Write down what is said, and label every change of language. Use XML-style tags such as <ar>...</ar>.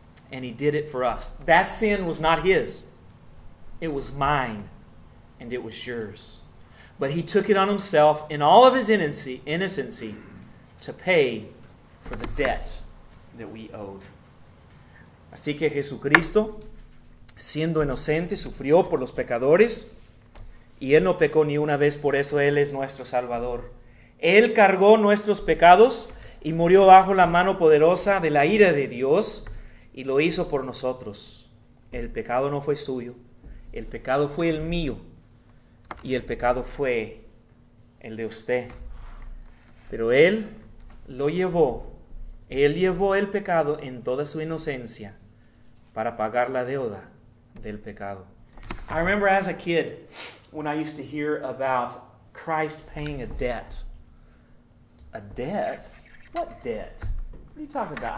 <en>And He did it for us. That sin was not His. It was mine, and it was yours. But He took it on Himself in all of His innocency to pay for the debt that we owed.</en> <es>Así que Jesucristo, siendo inocente, sufrió por los pecadores, y Él no pecó ni una vez, por eso Él es nuestro Salvador. Él cargó nuestros pecados y murió bajo la mano poderosa de la ira de Dios, y lo hizo por nosotros. El pecado no fue suyo, el pecado fue el mío, y el pecado fue el de usted. Pero Él lo llevó, Él llevó el pecado en toda su inocencia para pagar la deuda del pecado.</es> <en>I remember as a kid when I used to hear about Christ paying a debt. A debt? What debt? What are you talking about?</en>